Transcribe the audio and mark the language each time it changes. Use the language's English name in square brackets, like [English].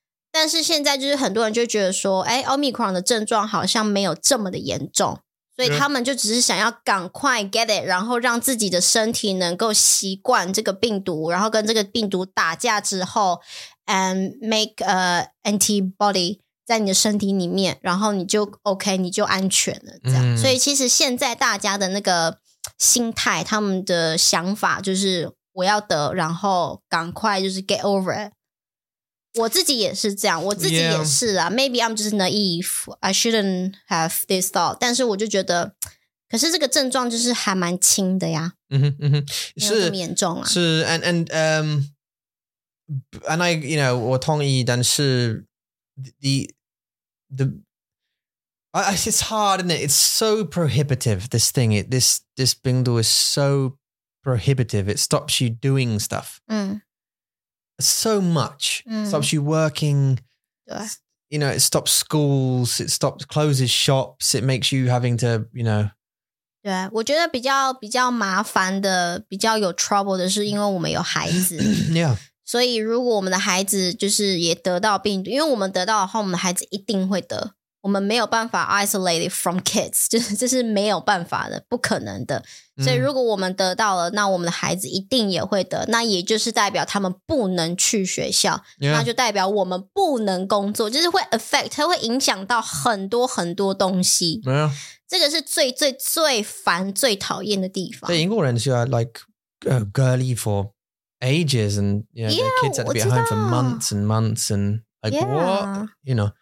[Chinese] 但是现在就是很多人就觉得说，哎 ，Omicron 的症状好像没有这么的严重，所以他们就只是想要赶快 get it，然后让自己的身体能够习惯这个病毒，然后跟这个病毒打架之后 ， and make a antibody 在你的身体里面，然后你就 OK， 你就安全了。这样，所以其实现在大家的那个心态，他们的想法就是我要得，然后赶快就是 get over it。我自己也是这样，我自己也是啊。 [English] Yeah. Maybe I'm just naive. I shouldn't have this thought. [Chinese] 但是我就觉得，可是这个症状就是还蛮轻的呀。嗯哼嗯哼，是没有那么严重啊。 [English] 是 and I you know 我同意，但是 it's hard, isn't it? It's so prohibitive. This thing, this 病毒 is so prohibitive. It stops you doing stuff. So much stops you working, you know, it stops schools, it stops, closes shops, it makes you having to, you know. [Chinese] 对，我觉得比较麻烦的，比较有 trouble 的是因为我们有孩子。 [English] Yeah. [Chinese] 所以如果我们的孩子就是也得到病毒，因为我们得到的话，我们的孩子一定会得。我们没有办法 isolate it from kids, 就是这是没有办法的，不可能的。所以如果我们得到了，那我们的孩子一定也会得，那也就是代表他们不能去学校，那就代表我们不能工作，就是会 affect, 它会影响到很多很多东西。这个是最最最烦最讨厌的地方。 [English] 对，英国人就要 like girly for ages, and you know, their kids had to be at home for months and months, and like what, you know.